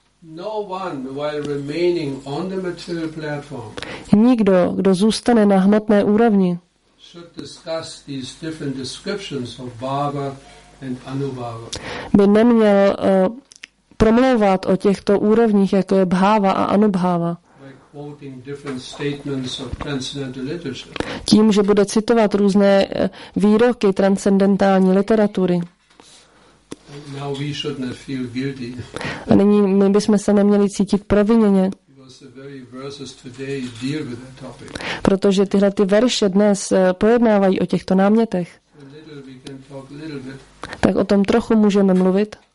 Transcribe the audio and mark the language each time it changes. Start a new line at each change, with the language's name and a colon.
English: No one while remaining on the material platform.
Czech: Nikdo, kdo zůstane na hmotné úrovni.
English: Should discuss these different descriptions of Bhava and Anubhava.
Czech: By neměl promlouvat o těchto úrovních, jako je Bhava a Anubhava.
English: Quoting different statements of transcendental literature.
Czech: Tím, že bude citovat různé výroky transcendentální literatury.
English: Now we should not feel guilty.
Czech: A nyní my bychom se neměli cítit provinění.
English: Because the very verses today deal with that topic.
Czech: Protože tyhle ty verše dnes pojednávají o těchto námětech.
English: A little we can talk a little bit.
Czech: Tak o tom trochu můžeme mluvit.